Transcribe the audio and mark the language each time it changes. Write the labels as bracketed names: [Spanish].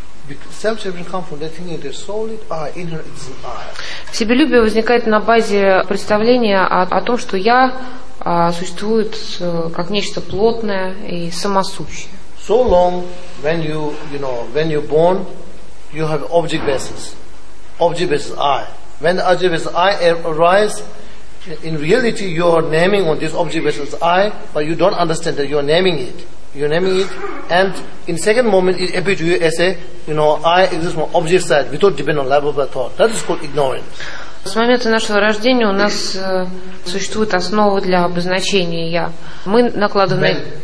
[English] Self-serving comes from that thinking that solid I, inner existence I. [Russian] Себелюбие возникает на базе представления о том, что я существует как нечто плотное и самосущее. [English] So long when you, you know, when you're born, you have object basis. Object basis I. When the object basis I arises, in reality you are naming on this object basis I, but you don't understand that you are naming it. You're naming it And in second moment, it appears to you as a, you know, I exist from object side, without depending on level of thought. That is called ignorance. [Russian] С момента нашего рождения у нас существует основа для обозначения «я». Мы накладываем...